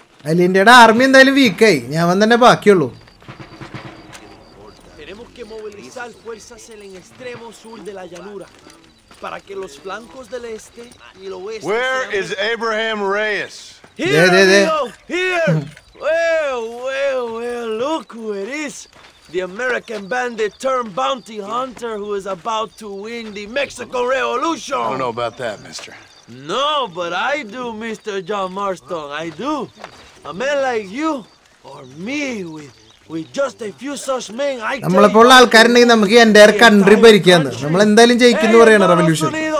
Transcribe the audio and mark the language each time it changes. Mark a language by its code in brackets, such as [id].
[ml] അലിന്റെ army എന്തായാലും വീക്കായി ഞാൻ വന്ന് തന്നെ ബാക്കിയുള്ളൂ [es] Tenemos que movilizar fuerzas en el extremo sur de la llanura para que los flancos del este y el oeste [en] Where is Abraham Reyes? Here. De, de. Well, look who it is. The American bandit turned bounty hunter who is about to win the Mexico Revolution. I don't know about that, mister. No, but I do, Mr. John Marston. I do. A man like you or me with just a few such men I [ml] can നമ്മളെ പോലുള്ള ആൾക്കാരുണ്ടെങ്കിൽ നമുക്ക് entire country ഭരിക്കാന്ന് നമ്മൾ എന്തായാലും ജയിക്കുന്നു പറയണ revolution